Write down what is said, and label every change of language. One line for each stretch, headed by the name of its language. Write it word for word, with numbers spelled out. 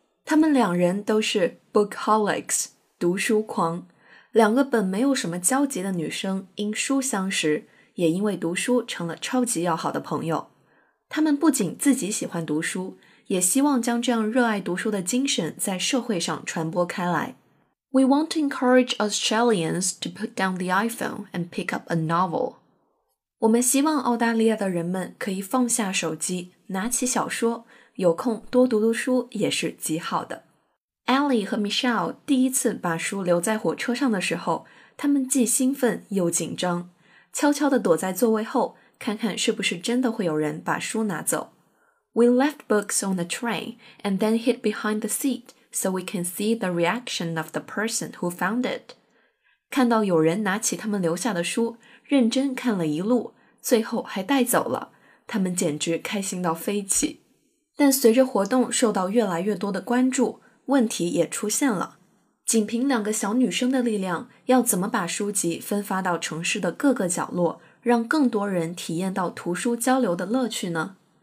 Chinese: 他们两人都是 bookaholics 读书狂，两个本没有什么交集的女生因书相识，也因为读书成了超级要好的朋友。他们不仅自己喜欢读书，也希望将这样热爱读书的精神在社会上传播开来。
English: We want to encourage Australians to put down the iPhone and pick up a novel.
Chinese: 我们希望澳大利亚的人们可以放下手机，拿起小说，有空多读读书也是极好的。 Ellie 和 Michelle 第一次把书留在火车上的时候，他们既兴奋又紧张，悄悄地躲在座位后，看看是不是真的会有人把书拿走。
English: We left books on the train and then hid behind the seat so we can see the reaction of the person who found it.
Chinese: 看到有人拿起他们留下的书，认真看了一路，最后还带走了，他们简直开心到飞起。但随着活动受到越来越多的关注，问题也出现了。仅凭两个小女生的力量，要怎么把书籍分发到城市的各个角落，让更多人体验到图书交流的乐趣呢？